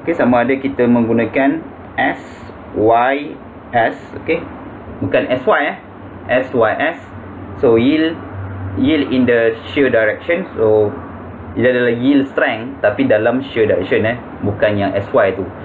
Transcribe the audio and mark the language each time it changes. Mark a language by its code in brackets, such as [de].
[ms] Okay, sama ada kita menggunakan SYS. Okay, bukan SY, SYS. [en] So yield in the shear direction. [ms] So dia adalah yield strength tapi dalam shear direction, bukan yang SY tu.